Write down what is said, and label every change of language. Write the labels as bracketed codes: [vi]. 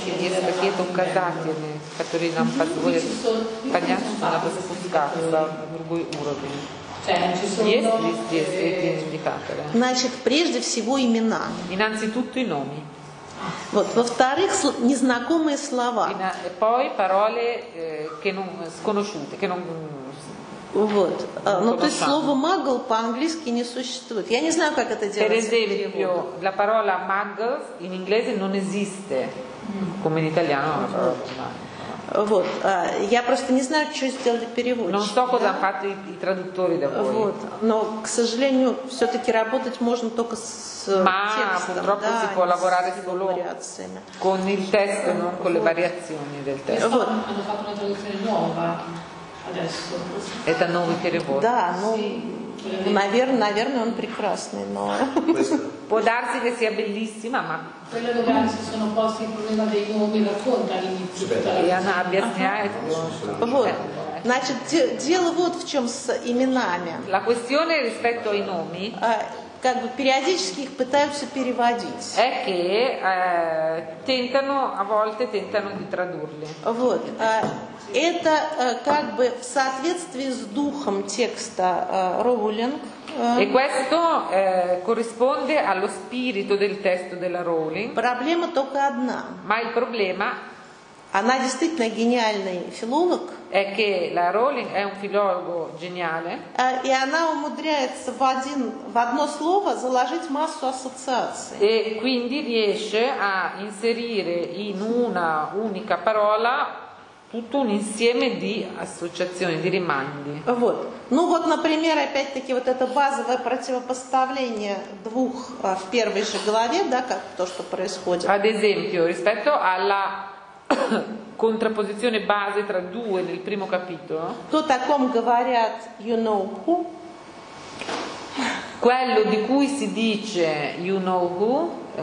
[ru] Есть какие-то указатели, которые нам позволят понять, что надо спускаться на другой уровень. Есть ли здесь эти индикаторы? Значит, прежде всего имена. [it] Innanzitutto i nomi. [ru] Вот, во-вторых, незнакомые слова. [it] E poi parole che non sconosciute, che non. [ru] Вот. Ну, то есть слово muggle по-английски не существует. Я не знаю, как это делать. [it] Per esempio, la parola muggle in inglese non esiste, come in italiano. [ru] Вот. Я просто не знаю, что сделали переводчики. [it] Non so cosa hanno fatto i traduttori da voi. [ru] Вот. Но, к сожалению, все-таки работать можно только с [it] ma purtroppo si può lavorare solo con il testo, non con le variazioni del testo. Hanno fatto una traduzione nuova adesso. È da nuovi che rivolgono. [ru] Da, Наверное, он прекрасный, но... [it] Può darsi che sia bellissima, ma... Quello dove si sono posti il problema dei nomi racconta all'inizio. [ru] E она объясняет. Вот. Значит, дело вот в чем с именами. [it] La questione rispetto ai nomi... [ru] Как бы периодически их пытаются переводить. [it] Che tentano a volte tentano di tradurli. [ru] Вот. Это как бы в соответствии с духом текста Rowling. [it] E questo corrisponde allo spirito del testo della Rowling. [ru] Проблема только одна. [it] Ma il problema. [ru] Она действительно гениальный филолог. [it] È che la Rowling è un filologo geniale. [ru] И она умудряется в одно слово заложить массу ассоциаций. [it] E quindi riesce a inserire in una unica parola tutto un insieme di associazioni, di rimandi. [ru] Вот. Ну вот, например, опять-таки вот это базовое противопоставление двух в первой же главе, да, как то, что происходит. [it] Ad esempio, rispetto alla contrapposizione base tra due nel primo capitolo. [ru] То таком говорят, [en] you know who? [it] Quello di cui si dice [en] you know who?